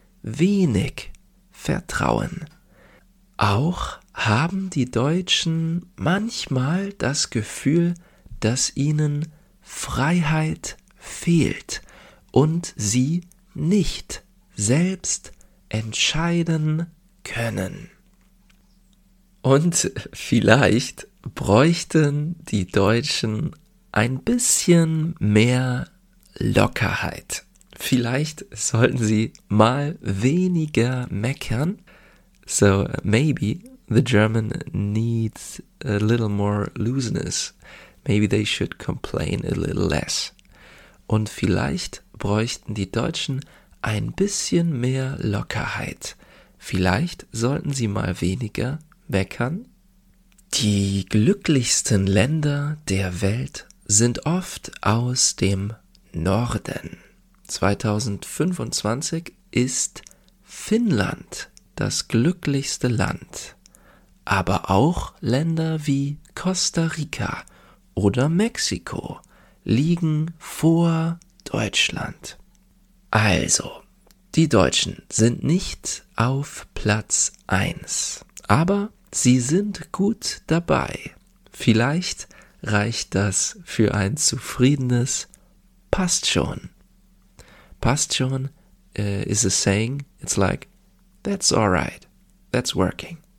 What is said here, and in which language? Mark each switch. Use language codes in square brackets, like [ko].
[de] wenig Vertrauen. Auch haben die Deutschen manchmal das Gefühl, dass ihnen Freiheit fehlt und sie nicht selbst entscheiden können. Und vielleicht bräuchten die Deutschen ein bisschen mehr Lockerheit. Vielleicht sollten sie mal weniger meckern. [en] So maybe the German needs a little more looseness. Maybe they should complain a little less. [de] Und vielleicht bräuchten die Deutschen ein bisschen mehr Lockerheit. Vielleicht sollten sie mal weniger meckern. Die glücklichsten Länder der Welt sind oft aus dem Norden. 2025 ist Finnland das glücklichste Land, aber auch Länder wie Costa Rica oder Mexiko liegen vor Deutschland. Also, die Deutschen sind nicht auf Platz 1, aber sie sind gut dabei. Vielleicht reicht das für ein zufriedenes passt schon. Passt schon [en] is a saying, it's like, that's alright, that's working.